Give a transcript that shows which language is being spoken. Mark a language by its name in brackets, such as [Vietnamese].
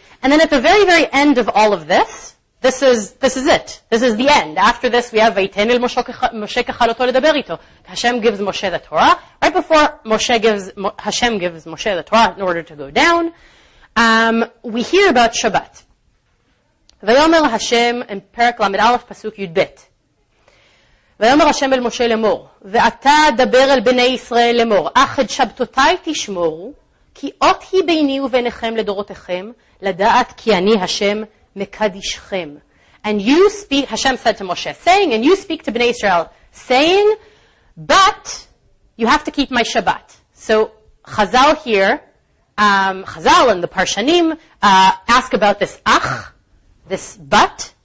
[English] And then at the very, very end of all of this, this is it. This is the end. After this, we have [Hebrew] Vayiten el Moshe kechalotu ledaber ito. [English] Hashem gives Moshe the Torah. Right before Hashem gives Moshe the Torah in order to go down, we hear about Shabbat. Vayomer Hashem in Perek Lamed Aleph Pasuk Yud Bet. [Hebrew] ויאמר השם אל משה לאמור, ואתה דבר אל בני ישראל לאמור, אך את שבתותי תשמורו, כי אות היא ביני וביניכם לדורותיכם, לדעת כי אני השם מקדישכם. [English] And you speak, Hashem said to Moshe, saying, and you speak to Bnei Israel, saying, but you have to keep my Shabbat. So Chazal here, Chazal and the Parshanim, ask about this ach, this but.